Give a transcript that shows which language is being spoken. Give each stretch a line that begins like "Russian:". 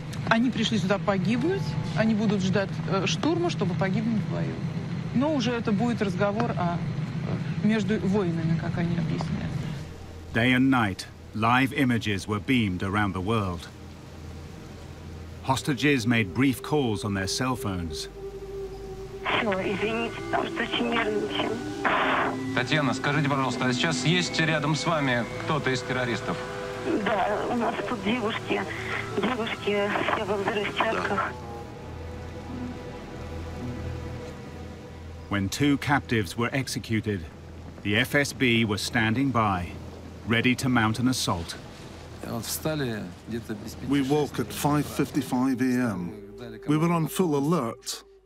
Russian: Они пришли сюда погибнуть. Они будут ждать штурма, чтобы погибнуть в бою. Но уже это будет разговор о между воинами, как они объясняют.
English: Day and night, live images were beamed around the world. Hostages made brief calls on their cell phones.
Russian: Татьяна, скажите, пожалуйста, а сейчас есть рядом с вами кто-то из террористов? Да, у нас тут девушки все в взрывчатках.
English: When two captives were executed, the FSB was standing by, ready to mount an assault. We woke at 5:55 a.m. We were on full alert.